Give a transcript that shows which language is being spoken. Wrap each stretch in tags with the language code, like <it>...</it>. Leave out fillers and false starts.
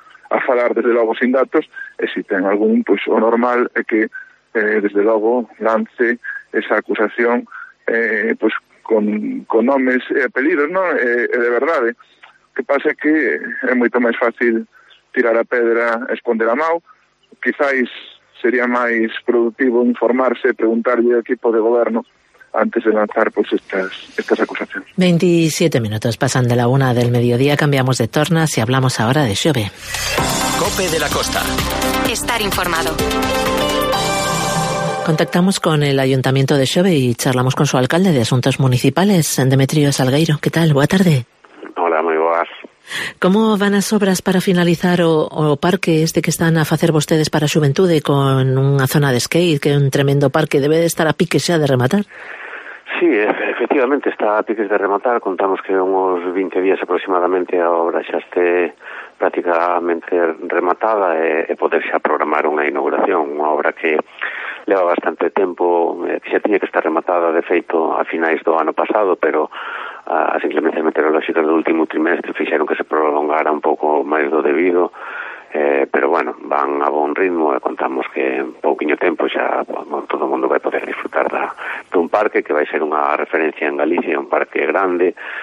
<gl>a falar desde logo sin datos, e se ten algún pois o normal é que desde logo lance esa acusación pois con nomes e apelidos, non? De verdade. O que pasa é que é moito máis fácil tirar a pedra e esconder a mão. Quizáis sería máis productivo informarse e preguntarlle ao equipo de goberno antes de lanzar pues, estas acusacións.</gl> <es>27 minutos pasan de la una del mediodía. Cambiamos de tornas y hablamos ahora de Xove. COPE de la Costa. Estar informado. Contactamos con el Ayuntamiento de Xove y charlamos con su alcalde de Asuntos Municipales, Demetrio Salgueiro. ¿Qué tal? Buena tarde. Hola, muy buenas. ¿Cómo van las obras para finalizar</es> <gl>o parque este</gl> <es>que están a hacer ustedes para Xuventude con una zona de skate, que es un tremendo parque?</es> <gl>Debe de estar a pique xa de rematar. Sí, efectivamente, está a pique de rematar. Contamos que unos 20 días aproximadamente a obra xa esté prácticamente rematada e poder xa programar unha inauguración, unha obra que leva bastante tempo, que xa tiña que estar rematada, de feito, a finais do ano pasado, pero as inclemencias meteorológicas do último trimestre fixeron que se prolongara un pouco máis do debido, pero bueno, van a bon ritmo e contamos que en pouquinho tempo xa bueno, todo o mundo vai poder disfrutar dun parque que vai ser unha referencia en Galicia, un parque grande,</gl>